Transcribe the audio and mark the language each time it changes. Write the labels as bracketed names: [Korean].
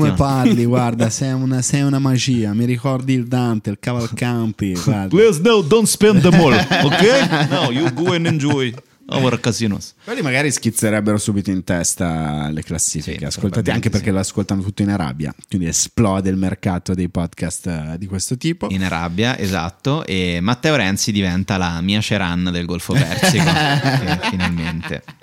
[Italian] Come parli, guarda, sei una magia. Mi ricordi il Dante, il Cavalcanti. [English] Please, no, don't spend the money, ok? No, you go and enjoy. Over casinos. [Italian] Quelli magari schizzerebbero subito in testa le classifiche, sì, ascoltati, anche perché sì, l'ascoltano tutto in Arabia, quindi esplode il mercato dei podcast di questo tipo. In Arabia, esatto, e Matteo Renzi diventa la Mia Ceran del Golfo Persico, finalmente.